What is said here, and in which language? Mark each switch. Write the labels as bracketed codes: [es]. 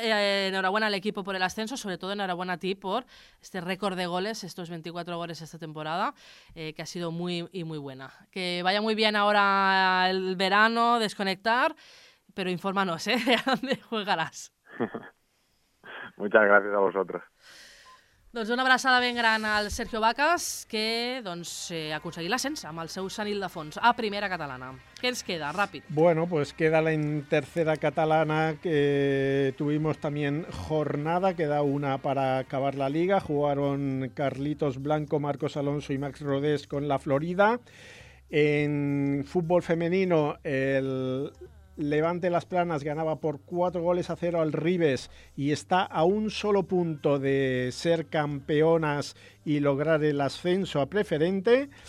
[es] Enhorabuena al equipo por el ascenso, sobre todo enhorabuena a ti por este récord de goles, estos 24 goles esta temporada, que ha sido muy buena. Que vaya muy bien ahora el verano, desconectar, pero infórmanos, ¿eh? ¿A dónde jugarás? Muchas gracias a vosotros. [ca] Doncs una abraçada ben gran al Sergio Vacas, que doncs, ha aconseguit l'ascens amb el seu Sant Ildefons a primera catalana. Què ens queda? Ràpid. [es] Bueno, pues queda la tercera catalana, que tuvimos también jornada, queda una para acabar la liga. Jugaron Carlitos Blanco, Marcos Alonso y Max Rodés con la Florida. En fútbol femenino, el Levante Las Planas ganaba por 4-0 al Ribes y está a un solo punto de ser campeonas y lograr el ascenso a preferente.